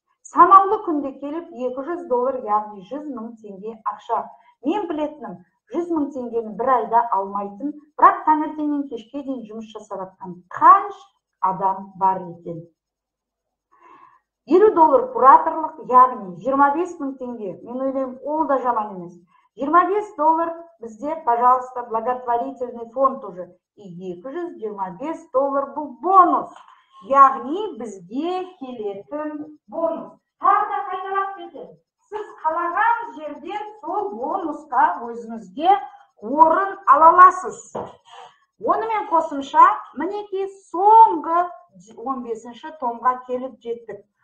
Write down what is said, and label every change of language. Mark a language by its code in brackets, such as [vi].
[kk] Санаулы күнде келіп 200 доллар, яғни 100 мың теңге ақша. Мен білетінім, 100 мың теңгені бір айда алмайтын, бірақ таңертеңнен кешке дейін жұмыс жасап жатқан қанш адам бар екен. 50 доллар кураторлық, яғни 25 мың теңге. Мен ойлаймын, ол да жаман емес. [ru] 25 доллар [kk] бізде, [ru] пожалуйста, благотворительный фонд уже. И 25 доллар был бонус. [kk] Яғни бізге келетін бонус. Тағы да қайталап кетем. Сіз қалаған жерден сол бонусқа өзіңізге орын ала аласыз. Онымен қосымша, мінекей соңғы 15-ші томға келіп жеттік.